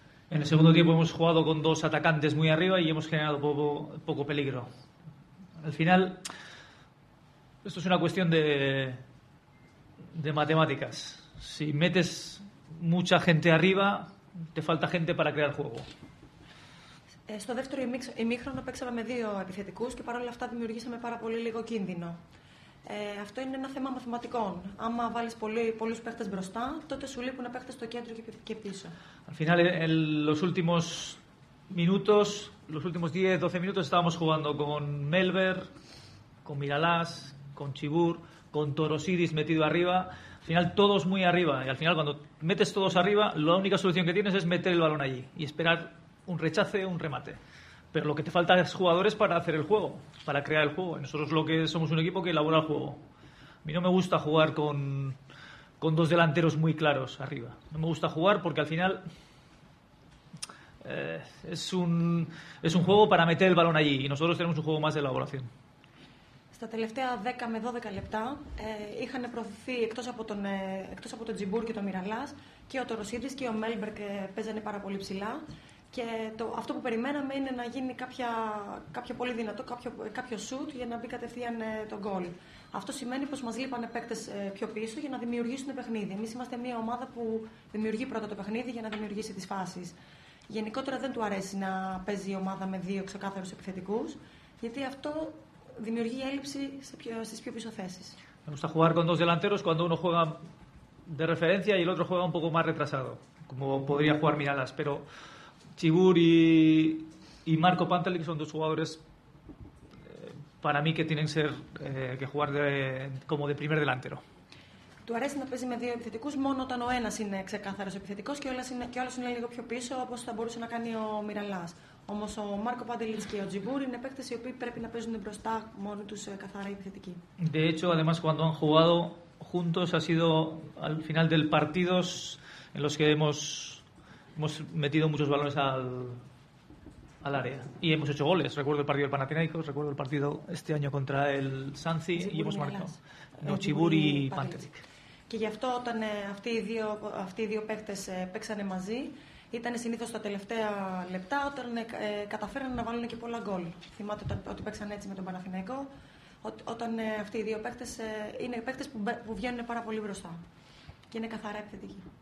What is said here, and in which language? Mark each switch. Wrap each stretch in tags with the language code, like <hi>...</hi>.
<es>En el segundo tiempo hemos jugado con dos atacantes muy arriba y hemos generado poco peligro. Al final, esto es una cuestión de matemáticas. Si metes mucha gente arriba, te falta gente para crear juego.</es> <el>Στο δεύτερο ημίχρονο παίξαμε με δύο επιθετικούς και παρόλα αυτά δημιουργήσαμε πάρα πολύ λίγο κίνδυνο. Αυτό είναι ένα θέμα μαθηματικών. Άμα βάλεις πολλούς παίχτες μπροστά, τότε σου λείπουν παίχτες στο κέντρο και πίσω.</el> <es>Al final, en los últimos minutos, los últimos 10-12 minutos, estábamos jugando con Melber, con Miralas, con Chibur, con Torosidis metido arriba. Al final, todos muy arriba. Y al final, cuando metes todos arriba, la única solución que tienes es meter el balón allí y esperar un rechace, un remate. Pero lo que te falta es jugadores para hacer el juego, para crear el juego. Nosotros lo que somos un equipo que elabora el juego. A mí no me gusta jugar con dos delanteros muy claros arriba. No me gusta jugar porque al final es un juego para meter el balón allí y nosotros tenemos un juego más de elaboración.</es> <el>Στα τελευταία 10 με 12 λεπτά είχαν προωθηθεί εκτός από τον Τζιμπούρ και τον Μιραλάς και ο Τωροσίδης και ο Μέλμπερκ παίζανε πάρα πολύ ψηλά. Και αυτό που περιμέναμε είναι να γίνει κάποιο πολύ δυνατό, κάποιο σουτ για να μπει κατευθείαν το γκολ. Αυτό σημαίνει πως μας λείπανε παίκτες πιο πίσω για να δημιουργήσουν παιχνίδι. Εμείς είμαστε μια ομάδα που δημιουργεί πρώτα το παιχνίδι για να δημιουργήσει τις φάσεις. Γενικότερα δεν του αρέσει να παίζει η ομάδα με δύο ξεκάθαρους επιθετικούς, γιατί αυτό δημιουργεί έλλειψη στις πιο πίσω θέσεις.</el> <es>Με gusta jugar con dos delanteros cuando uno juega de referencia y el otro juega un poco más retrasado, como podría jugar Miralas, pero Chibur y Marco Pantelic son dos jugadores para mí que tienen ser, que jugar como de primer delantero.</es> <el>Του αρέσει να παίζει με δύο επιθετικούς μόνο όταν ο ένας είναι ξεκάθαρος επιθετικός και ο άλλος είναι λίγο πιο πίσω όπως θα μπορούσε να κάνει ο Μιραλάς. Όμως ο Μάρκο Παντελίτς και ο Τζιμπούρ είναι παίκτες οι οποίοι πρέπει να παίζουν μπροστά μόνοι τους καθαρά επιθετικοί.</el> <es>De hecho, además, cuando han jugado juntos ha sido al final del partidos en los que hemos metido muchos balones al área y hemos hecho goles. Recuerdo el partido del Panathinaikos, recuerdo el partido este año contra el Sanzi y hemos marcado. No, Chibur y Pantelic.</es> <el>Και γι' αυτό όταν αυτοί οι δύο παίκτες παίξανε μαζί, ήταν συνήθως τα τελευταία λεπτά όταν καταφέρανε να βάλουν και πολλά γκολ. Θυμάται ότι παίξαν έτσι με τον Παναθηναϊκό, όταν αυτοί οι δύο παίκτες είναι παίκτες που βγαίνουν πάρα πολύ μπροστά και είναι καθαρά επιθετικοί.</el>